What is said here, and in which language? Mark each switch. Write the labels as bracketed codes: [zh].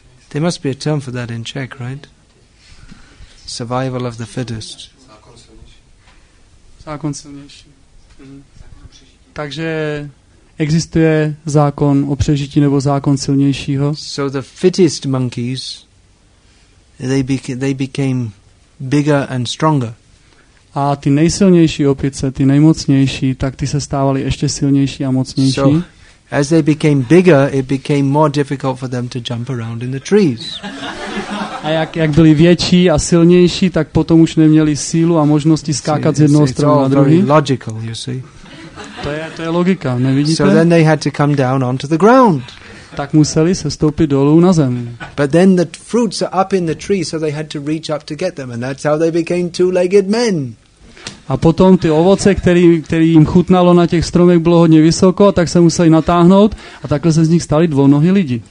[en] There must be a term for that in Czech, right? Survival of the fittest. [cs] Zákon silnější. Takže existuje zákon o přežití nebo zákon silnějšího? [en] So the fittest monkeys, they became bigger and stronger. [cs] A ty nejsilnější opice, ty nejmocnější, tak ty se stávali ještě silnější a mocnější. [en] So, as they became bigger, it became more difficult for them to jump around in the trees. [cs] A jak byli větší a silnější, tak potom už neměli sílu a možnosti skákat z jednoho stromu na druhý. [en] It's all very logical, you see. [cs] To je logika, nevidíte? [en] So then they had to come down onto the ground. [cs] Tak museli se stoupit dolů na zem. [en] But then the fruits are up in the tree, so they had to reach up to get them, and that's how they became two-legged men. [cs] A potom ty ovoce, které jim chutnalo na těch stromech, bylo hodně vysoko, tak se museli natáhnout a takhle se z nich stali dvounohý lidi.